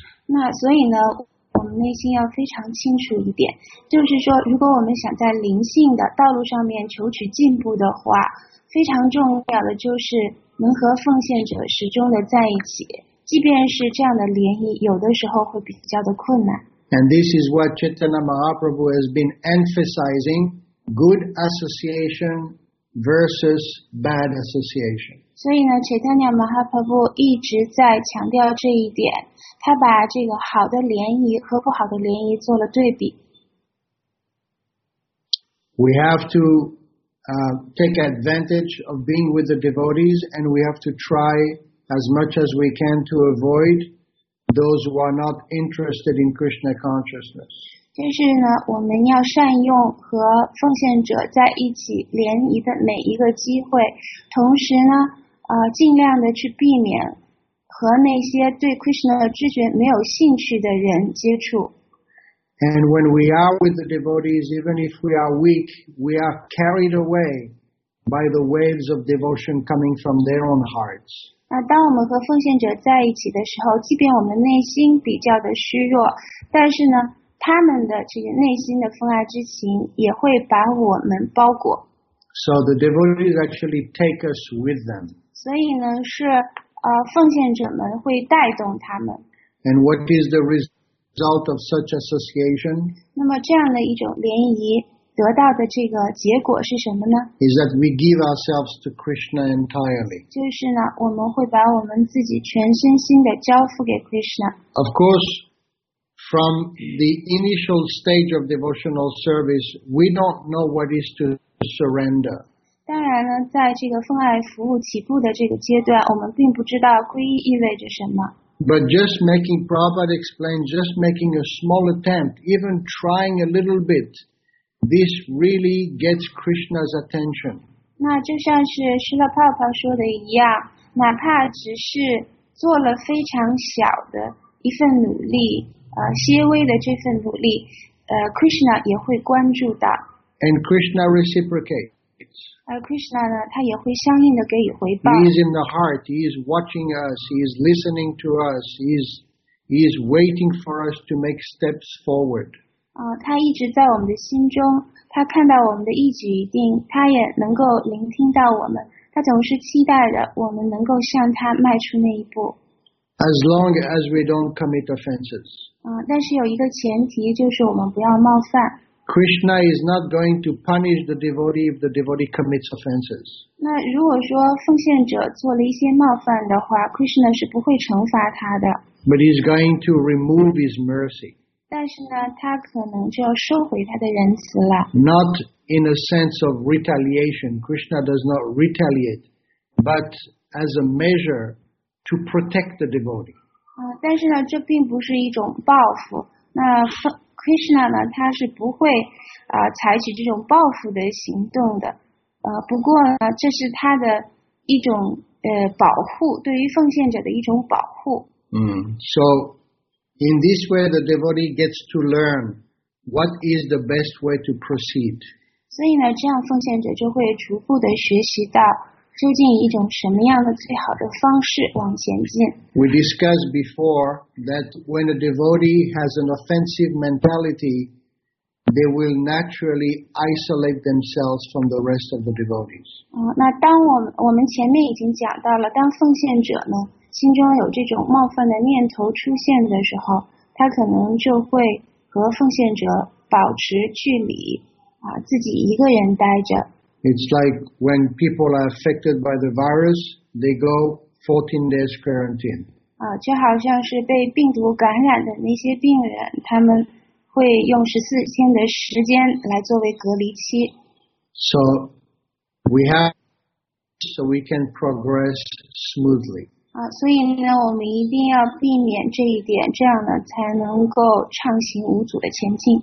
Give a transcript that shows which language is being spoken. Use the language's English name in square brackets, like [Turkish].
[Chinese] 那所以呢，我们内心要非常清楚一点，就是说，如果我们想在灵性的道路上面求取进步的话，非常重要的就是能和奉献者始终的在一起，即便是这样的联谊，有的时候会比较的困难。 [English] And this is what Chaitanya Mahaprabhu has been emphasizing: good association versus bad association. [Chinese] 所以呢 ，Chaitanya Mahaprabhu 一直在强调这一点，他把这个好的联谊和不好的联谊做了对比。 [English] We have to. Take advantage of being with the devotees, and we have to try as much as we can to avoid those who are not interested in Krishna consciousness. [Chinese] 就是呢，我们要善用和奉献者在一起联谊的每一个机会，同时呢，尽量的去避免和那些对 Krishna 的知觉没有兴趣的人接触。 [English] And when we are with the devotees, even if we are weak, we are carried away by the waves of devotion coming from their own hearts. [Chinese] 那当我们和奉献者在一起的时候，即便我们内心比较的虚弱，但是呢，他们的这个内心的奉爱之情也会把我们包裹。 [English] So the devotees actually take us with them. [Chinese] 所以呢，是奉献者们会带动他们。 [English] And what is the result of such association? [Chinese] 那么这样的一种联谊得到的这个结果是什么呢？ [English] Is that we give ourselves to Krishna entirely. [Chinese] 就是呢，我们会把我们自己全身心的交付给 Krishna. [English] Of course, from the initial stage of devotional service, we don't know what is to surrender. [Chinese] 当然呢，在这个奉爱服务起步的这个阶段，我们并不知道皈依意味着什么。 [English] But just making, Prabhupada explained, just making a small attempt, even trying a little bit, this really gets Krishna's attention. [Chinese] 那就像是释迦牟尼说的一样，哪怕只是做了非常小的一份努力，些微的这份努力，Krishna 也会关注到。 [English] And Krishna reciprocates. [Chinese] 而 Krishna 呢，他也会相应的给予回报。 [English] He is in the heart. He is watching us. He is listening to us. He is waiting for us to make steps forward. [Chinese] 他一直在我们的心中，他看到我们的一举一动，他也能够聆听到我们，他总是期待着我们能够向他迈出那一步。 [English] As long as we don't commit offenses. [Chinese] 但是有一个前提，就是我们不要冒犯。 [English] Krishna is not going to punish the devotee if the devotee commits offenses. [Chinese] 那如果说奉献者做了一些冒犯的话， Krishna 是不会惩罚他的。 [English] But he's going to remove his mercy. [Chinese] 但是呢，他可能就要收回他的仁慈了。 [English] Not in a sense of retaliation. Krishna does not retaliate, but as a measure to protect the devotee. [Chinese] 但是呢，这并不是一种报复。那Krishna 呢，他是不会采取这种报复的行动的，不过呢，这是他的一种保护，对于奉献者的一种保护。 [English] So in this way, the devotee gets to learn what is the best way to proceed. [Chinese] 所以呢，这样奉献者就会逐步的学习到究竟一种什么样的最好的方式往前进。 [English] We discussed before that when a devotee has an offensive mentality, they will naturally isolate themselves from the rest of the devotees. [Chinese] 那当我们前面已经讲到了，当奉献者呢心中有这种冒犯的念头出现的时候，他可能就会和奉献者保持距离，自己一个人待着。 [English] It's like when people are affected by the virus, they go 14 days quarantine. [Chinese] 就好像是被病毒感染的那些病人，他们会用14天的时间来作为隔离期。 [English] So we have, so we can progress smoothly. [Chinese] 所以呢，我们一定要避免这一点，这样呢才能够畅行无阻的前进。